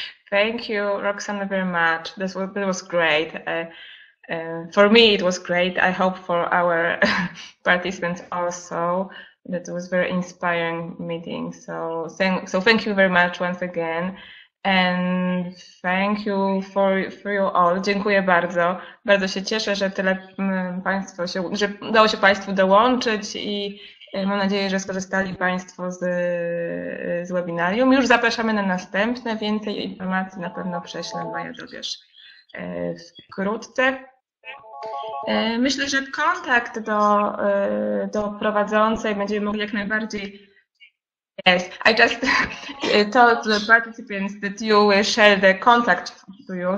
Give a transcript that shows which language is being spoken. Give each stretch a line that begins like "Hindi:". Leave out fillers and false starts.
English: Thank you, Roxanna, very much. This was great. For me, it was great. I hope for our participants also. That was very inspiring meeting. So thank you very much once again. And thank you for you all.
Polish: Dziękuję bardzo. Bardzo się cieszę, że tyle państwo się, że udało się państwu dołączyć i mam nadzieję, że skorzystali państwo z webinarium. Już zapraszamy na następne. Więcej informacji na pewno prześlę, Maja, dowiesz wkrótce. Myślę, że kontakt do prowadzącej będziemy mogli jak najbardziej.
English: Yes, I just told the participants that you will share the contact to you.